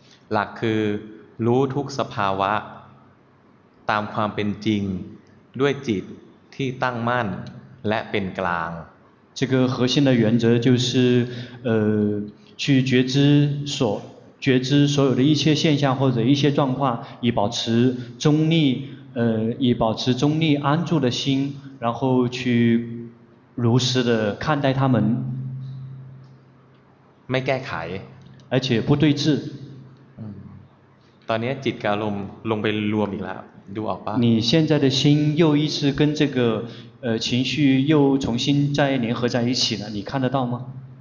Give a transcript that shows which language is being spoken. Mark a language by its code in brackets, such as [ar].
[th] หลักคือรู้ทุกสภาวะตามความเป็นจริงด้วยจิตที่ตั้งมั่นและเป็นกลาง。 [zh] 这个核心的原则就是，去觉知所。觉知所有的一切现象或者一些状况，以保持中立，以保持中立安住的心，然后去如实的看待他们。 [th] ไม่แก้ไ [zh] ข，而且不对峙。 [th] ตอนนี้จิตกับลมลงไปรวมอีกแล้ว，ดูออกป่ะ？ [zh] 你现在的心又一次跟这个情绪又重新再联合在一起了，你看得到吗？